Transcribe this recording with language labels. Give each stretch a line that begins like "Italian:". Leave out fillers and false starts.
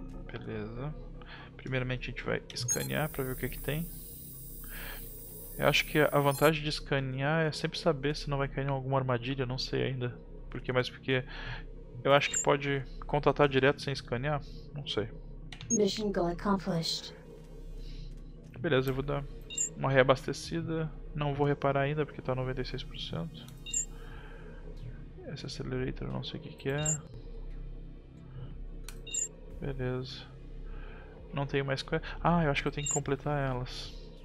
Portuguese: Beleza. Primeiramente a gente vai escanear para ver o que que tem. Eu acho que a vantagem de escanear é sempre saber se não vai cair em alguma armadilha, não sei ainda. Porque mais porque eu acho que pode contatar direto sem escanear, não sei.
English: Mission goal accomplished.
Portuguese: Beleza, eu vou dar uma reabastecida. Não vou reparar ainda porque tá 96%. Esse accelerator eu não sei o que que é. Beleza. Não tenho mais quest. Ah, eu acho que eu tenho que completar elas.